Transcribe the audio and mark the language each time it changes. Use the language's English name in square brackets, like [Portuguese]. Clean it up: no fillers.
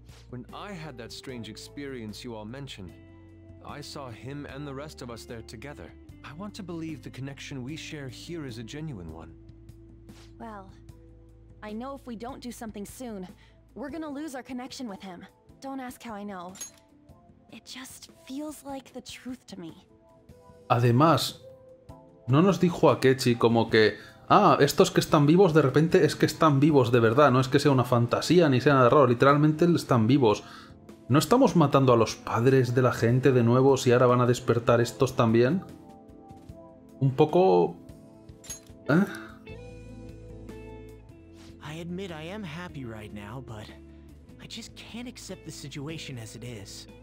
[English] When I had that strange experience you all mentioned, I saw him and the rest of us there together. I want to believe the connection we share here is a genuine one. Well, I know if we don't do something soon, we're gonna lose our connection with him. Don't ask how I know. It just feels like the truth to me. [Spanish] Además, no nos dijo Akechi como que, estos que están vivos de repente es que están vivos de verdad, no es que sea una fantasía ni sea nada raro, literalmente están vivos. ¿No estamos matando a los padres de la gente de nuevo si ahora van a despertar estos también? Un poco... [English] I admit I am happy right now, but I just can't accept the situation as it is.